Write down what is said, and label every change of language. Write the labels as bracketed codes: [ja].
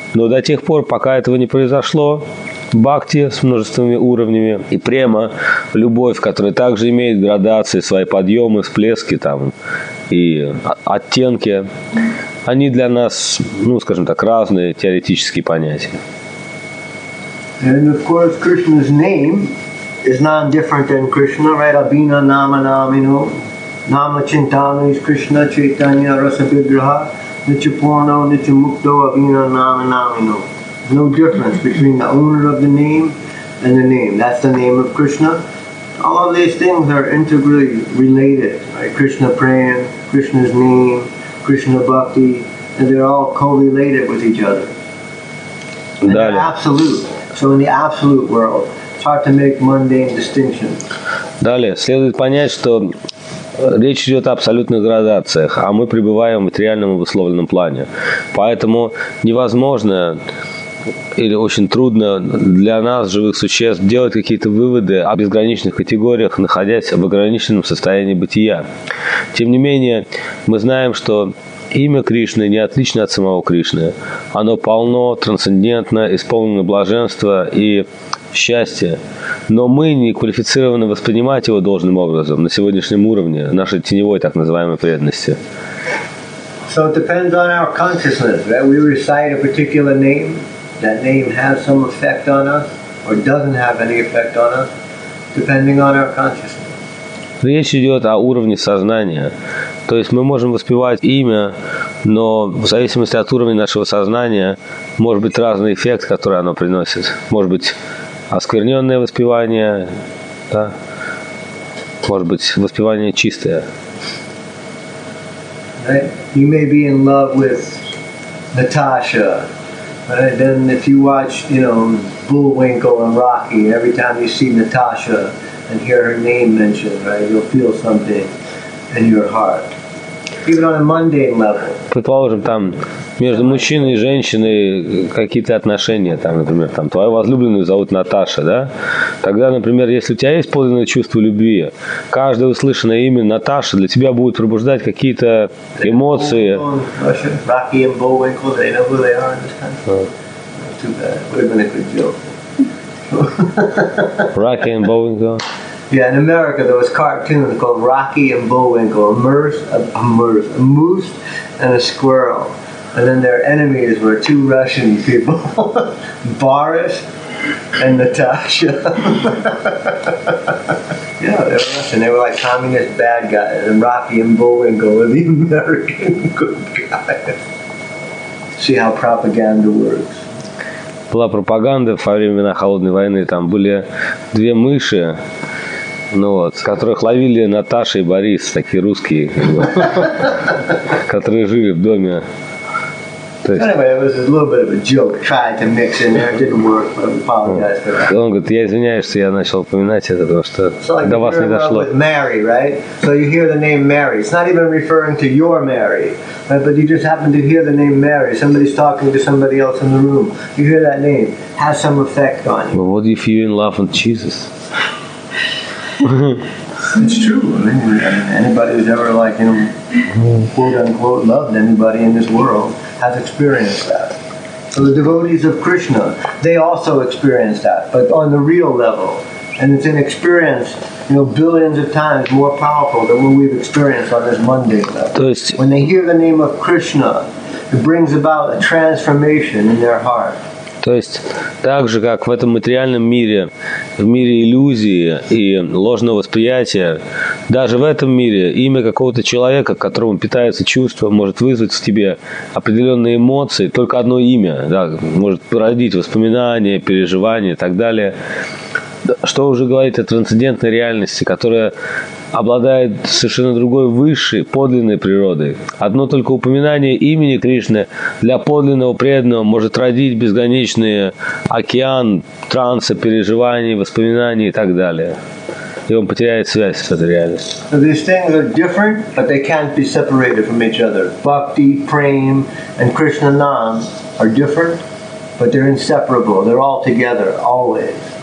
[ru] Но до тех пор, пока этого не произошло, бхакти с множественными уровнями и према, любовь, которая также имеет градации, свои подъемы, всплески там, и оттенки, они для нас, ну, скажем так, разные теоретические понятия. [en] And of course, Krishna's name is non-different than Krishna, right? [sa] Abhina, Nama, Namino, Nama, Chintana, is Krishna, Chaitanya, Rasa, Vigraha, Nichipurno, Nichimukto, Abhina, Nama, Namino. [en] No difference between the owner of the name and the name. That's the name of Krishna. All of these things are integrally related, right? Krishna Prem, Krishna's name, Krishna Bhakti, and they're all correlated with each other. And they're absolute. So in the absolute world, it's hard to make mundane distinctions. [ru] Далее, следует понять, что речь идет о абсолютных градациях, а мы пребываем в материальном обусловленном плане. Поэтому невозможно или очень трудно для нас, живых существ, делать какие-то выводы о безграничных категориях, находясь в ограниченном состоянии бытия. Тем не менее, мы знаем, что имя Кришны не отлично от самого Кришны. Оно полно, трансцендентно, исполнено блаженства и счастья. Но мы не квалифицированы воспринимать его должным образом на сегодняшнем уровне, нашей теневой так называемой преданности. [en] So it depends on our consciousness, that we recite a particular name. That name has some effect on us, or doesn't have any effect on us, depending on our consciousness. [ru] Речь идет о уровне сознания. То есть мы можем воспевать имя, но в зависимости от уровня нашего сознания может быть разный эффект, который оно приносит. Может быть оскверненное воспевание, да? Может быть воспевание чистое. [en] Right? You may be in love with Natasha. Right, then if you watch, you know, Bullwinkle and Rocky, every time you see Natasha and hear her name mentioned, right, you'll feel something in your heart. Even on a mundane level. [ru] Предположим, там между мужчиной и женщиной какие-то отношения, там, например, там твою возлюбленную зовут Наташа, да? Тогда, например, если у тебя есть подлинное чувство любви, каждое услышанное имя Наташа для тебя будет пробуждать какие-то эмоции. [en] Rocky and Bullwinkle, they know who they are in this country. Too bad. Would have been a good joke. Rocky and Bullwinkle. Yeah, in America there was a cartoon called Rocky and Bullwinkle, a moose and a squirrel. And then their enemies were two Russian people, Boris and Natasha. Yeah, they were Russian. They were like communist bad guys, and Rocky and Bullwinkle were the American good guys. See how propaganda works. [ru] Была пропаганда во времена холодной войны, там были две мыши, ну вот, которых ловили Наташа и Борис, такие русские, которые жили в доме. [en] Anyway, it was a little bit of a joke, trying to mix in there, it didn't work, but I apologize for that. [ru] Он говорит, я извиняюсь, что я начал упоминать это, потому что до вас не дошло. [en] With Mary, right? So you hear the name Mary. It's not even referring to your Mary, right? But you just happen to hear the name Mary. Somebody's talking to somebody else in the room. You hear that name, has some effect on you. But what if you're in love with Jesus? It's true. I mean, anybody who's ever, like, you know, quote-unquote, loved anybody in this world has experienced that. So the devotees of Krishna, they also experience that, but on the real level. And it's an experience, you know, billions of times more powerful than what we've experienced on this mundane level. When they hear the name of Krishna, it brings about a transformation in their heart. [ru] То есть, так же, как в этом материальном мире, в мире иллюзии и ложного восприятия, даже в этом мире имя какого-то человека, которому питается чувство, может вызвать в тебе определенные эмоции, только одно имя, да, может породить воспоминания, переживания и так далее. Что уже говорит о трансцендентной реальности, которая обладает совершенно другой, высшей, подлинной природой. Одно только упоминание имени Кришны для подлинного преданного может родить безграничный океан транса, переживаний, воспоминаний и так далее. И он потеряет связь с этой реальностью. [en] So these things are different, but they can't be separated from each other. Bhakti, Prem, and Krishna Nam are different, but they're inseparable. They're all together, always.